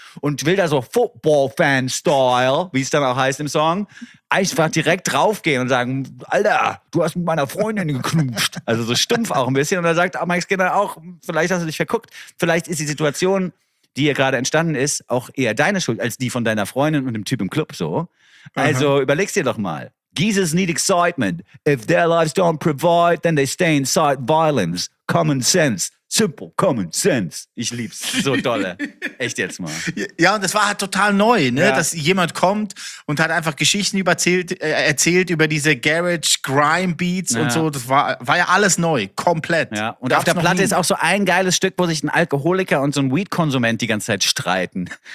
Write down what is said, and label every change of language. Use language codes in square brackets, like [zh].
[de] Und will da so Football-Fan-Style, wie es dann auch heißt im Song, einfach direkt draufgehen und sagen, Alter, du hast mit meiner Freundin geknutscht. Also so stumpf auch ein bisschen. Und er sagt Max Skinner auch, vielleicht hast du dich verguckt. Vielleicht ist die Situation, die hier gerade entstanden ist, auch eher deine Schuld als die von deiner Freundin und dem Typ im Club. So. Also überleg's dir doch mal. [en] Geezers need excitement. If their lives don't provide, then they stay inside violence. Common sense. Simple common sense. [de] Ich lieb's. So dolle. Echt jetzt mal. Ja, und das war halt total neu, ne? Ja. Dass jemand kommt und hat einfach Geschichten erzählt über diese Garage-Grime-Beats, ja, und so. Das war ja alles neu. Komplett. Ja. Und auf der Platte ist auch so ein geiles Stück, wo sich ein Alkoholiker und so ein Weed-Konsument die ganze Zeit streiten.